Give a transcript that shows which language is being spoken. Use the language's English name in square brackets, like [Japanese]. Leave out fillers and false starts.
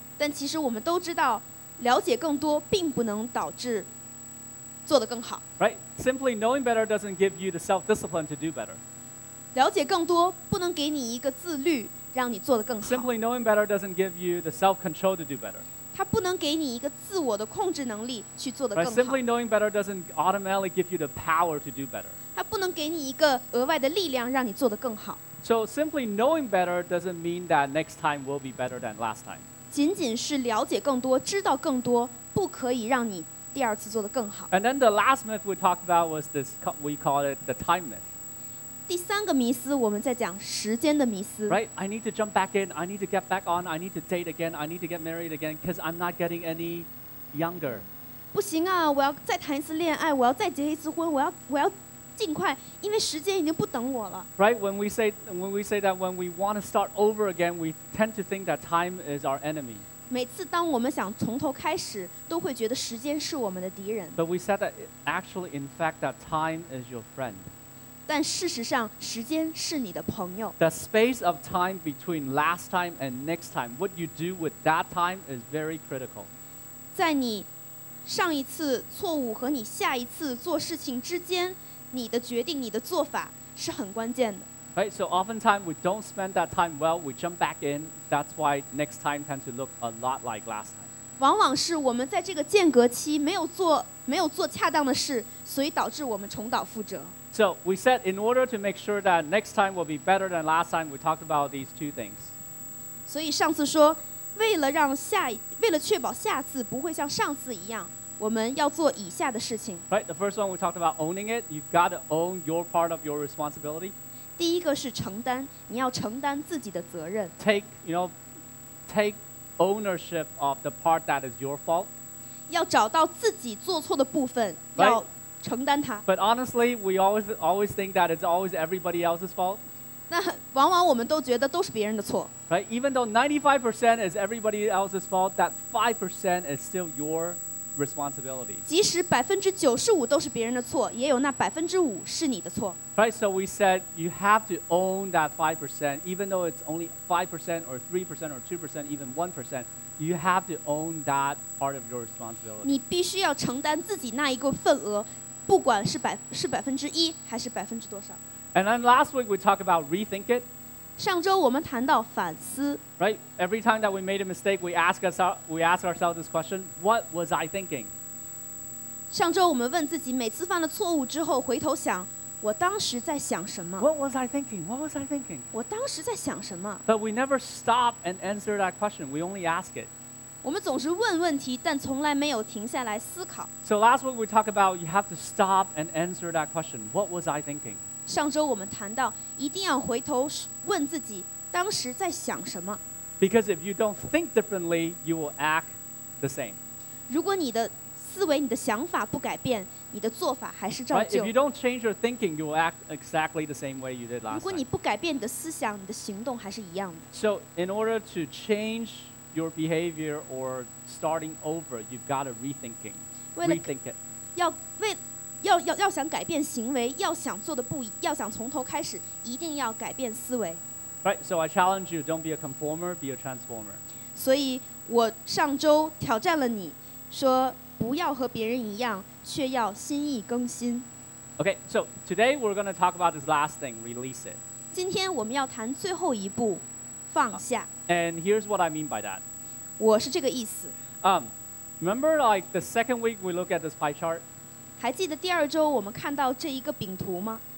[Chinese] 但其实我们都知道，了解更多并不能导致。做得更好 [English] right? Simply knowing better doesn't give you the self-discipline to do better. [Chinese] 了解更多不能给你一个自律让你做得更好 [English] Simply knowing better doesn't give you the self-control to do better. [Chinese] 它不能给你一个自我的控制能力去做得更好 [English] right? Simply knowing better doesn't automatically give you the power to do better. [Chinese] 它不能给你一个额外的力量让你做得更好 [English] So simply knowing better doesn't mean that next time will be better than last time. [Chinese] 仅仅是了解更多知道更多不可以让你第二次做得更好。 [English] And then the last myth we talked about was this, we call it the time myth. [Chinese] 第三个迷思，我们在讲时间的迷思。 [English] Right, I need to jump back in, I need to get back on, I need to date again, I need to get married again, because I'm not getting any younger. [Chinese] 不行啊，我要再谈一次恋爱，我要再结一次婚，我要尽快，因为时间已经不等我了。 [English] Right, when we say that when we want to start over again, we tend to think that time is our enemy. [Chinese] 每次当我们想从头开始，都会觉得时间是我们的敌人。 [English] But we said that actually, in fact, that time is your friend. [Chinese] 但事实上，时间是你的朋友。 [English] The space of time between last time and next time, what you do with that time is very critical. [Chinese] 在你上一次错误和你下一次做事情之间，你的决定、你的做法是很关键的。 [English] Right, so oftentimes we don't spend that time well, we jump back in, that's why next time tends to look a lot like last time. [Chinese] 往往是我们在这个间隔期没有做恰当的事，所以导致我们重蹈覆辙。 [English] So we said in order to make sure that next time will be better than last time, we talked about these two things. [Chinese] 所以上次说，为了确保下次不会像上次一样，我们要做以下的事情。 [English] Right, the first one we talked about owning it. You've got to own your part of your responsibility. [Chinese] 第一个是承担，你要承担自己的责任。 [English] Take, you know, take ownership of the part that is your fault. [Chinese] 要找到自己做错的部分，要承担它。 [English] But honestly, we always think that it's always everybody else's fault. [Chinese] 那往往我们都觉得都是别人的错。 [English] Right, even though 95% is everybody else's fault, that 5% is still your responsibility. [Chinese] 即使95%都是别人的错，也有那5%是你的错。 [English] Right, so we said you have to own that 5%, even though it's only 5% or 3% or 2%, even 1%, you have to own that part of your responsibility. [Chinese] 你必须要承担自己那一个份额，不管是1%还是多少。 [English] And then last week we talked about rethink it. [Chinese] 上周我们谈到反思。 [English] Right, every time that we made a mistake, we ask ourselves this question: What was I thinking? [Chinese] 上周我们问自己，每次犯了错误之后，回头想，我当时在想什么 [English] ？What was I thinking? What was I thinking? [Chinese] 我当时在想什么 [English] ？But we never stop and answer that question. We only ask it. [Chinese] 我们总是问问题，但从来没有停下来思考。 [English] So last week we talked about you have to stop and answer that question: What was I thinking? [Chinese] 上周我们谈到，一定要回头问自己当时在想什么。 [English] Because if you don't think differently, you will act the same. [Chinese] 如果你的思维、你的想法不改变，你的做法还是照旧。 [English] Right? If you don't change your thinking, you will act exactly the same way you did last time. [Chinese] 如果你不改变你的思想，你的行动还是一样的。 [English] So in order to change your behavior or starting over, you've got to rethinking. Rethink it. [Chinese] 要想改变行为，要想做的不一，要想从头开始，一定要改变思维。 [English] Right, so I challenge you, don't be a conformer, be a transformer. [Chinese] 所以我上周挑战了你，说不要和别人一样，却要心意更新。 [English] Okay, so today we're going to talk about this last thing, release it. [Chinese] 今天我们要谈最后一步，放下。 [English] And here's what I mean by that. [Chinese] 我是这个意思。 [English] Remember like the second week we look at this pie chart? [Chinese] 还记得第二周我们看到这一个饼图吗